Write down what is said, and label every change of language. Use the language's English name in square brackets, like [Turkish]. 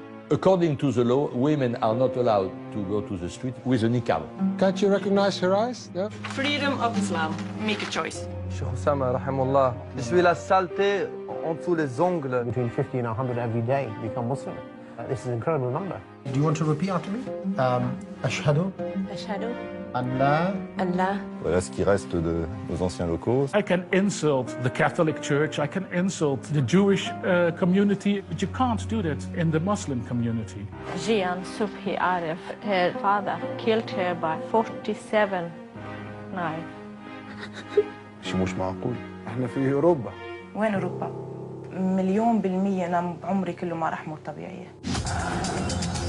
[English] According to the law, women are not allowed to go to the street with a niqab. Can't you recognize her eyes? Yeah. Freedom of Islam. Make a choice. Sheikh Hussama, rahimullah. [French] Je suis la saleté en dessous les ongles. [English] Between 50 and 100 every day become Muslim. This is an incredible number. Do you want to repeat after me? [Arabic] Ashhadu. Ashhadu. Allah. Allah. [French] Voilà ce qui reste de nos anciens locaux. [English] I can insult the Catholic Church, I can insult the Jewish community, but you can't do that in the Muslim community. Jian Subhi Arif, her father, killed her by 47 knives. [Arabic] شي مش معقول. احنا في اوروبا. وين اوروبا؟ مليون بالمية انا عمري كله ما راح مو طبيعية.